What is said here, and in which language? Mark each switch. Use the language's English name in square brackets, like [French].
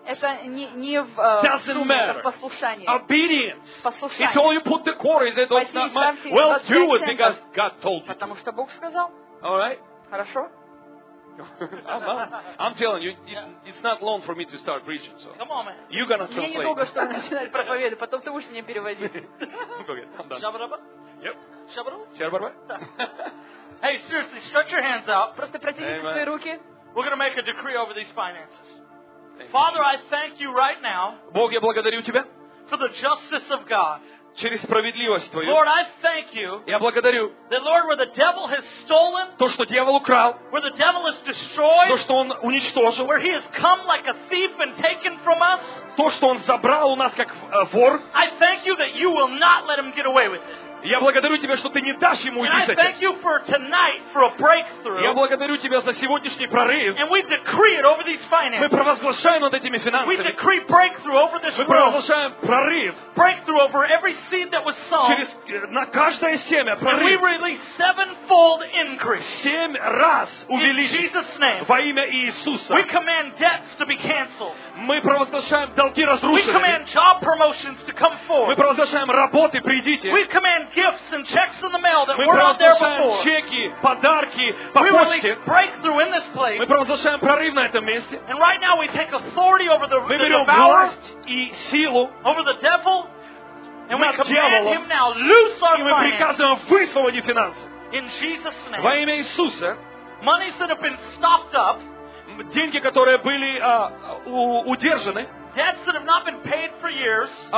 [Russian] Это не в сумме, это в послушании. [English] Obedience. [Russian] Послушание. [English] It's all you put the core, is it? It's not much. Well, do it, because God told you. [Russian] Потому что Бог сказал. [English] All right. [Russian] Хорошо. [English] I'm telling you, it's not long for me to start preaching. So. Come on, man. You're gonna translate. [Russian] Мне недолго, чтобы начинать проповедовать, потом ты будешь мне переводить. Шабраба? [English] Yep. Шабраба? Шабраба? Hey, seriously, stretch your hands out. [Russian] Просто протяните свои руки. [English] We're gonna make a decree over these finances. Father, I thank you right now. [Russian] Бог, я благодарю тебя. [English] For the justice of God. [Russian] Через справедливость твою. [English] Lord, I thank you. [Russian] Я благодарю. [English] That Lord, where the devil has stolen. [Russian] То, что дьявол украл. [English] Where the devil has destroyed. [Russian] То, что он уничтожил. [English] Where he has come like a thief and taken from us. [Russian] То, что он забрал у нас как вор. [English] I thank you that you will not let him get away with it. [Russian] Я благодарю тебя, что ты не дашь ему уйти с этим. [English] I thank you for tonight for a breakthrough. [Russian] Я благодарю тебя за сегодняшний прорыв. [English] And we decree it over these finances. [Russian] Мы провозглашаем над этими финансами. [English] We decree breakthrough over this world. [Russian] Мы провозглашаем прорыв. [English] Breakthrough over every seed that was sown. [Russian] Через на каждое семя прорыв. [English] And we release sevenfold increase. [Russian] Семь раз увеличить. [English] In Jesus' name. [Russian] Во имя Иисуса. [English] We command debts to be canceled. [Russian] Мы провозглашаем долги разрушены. [English] We command job promotions to come forth. [Russian] Мы провозглашаем работы придите. [English] We command gifts and checks in the mail that were out there before. [Russian] Чеки, подарки, [English] по we release breakthrough in this place. [Russian] Мы провозглашаем прорыв на этом месте. [English] And right now we take authority over the devil. [Russian] Мы берем власть и силу [English] over the devil. And we command [Russian] дьяволом, [English] him now loose our [Russian] и мы приказываем высвободить финансы. [English] In Jesus' name. [Russian] Во имя Иисуса. [English] Monies that have been stopped up. [Russian] Деньги, которые были удержаны. [English] Debts that have not been paid for years.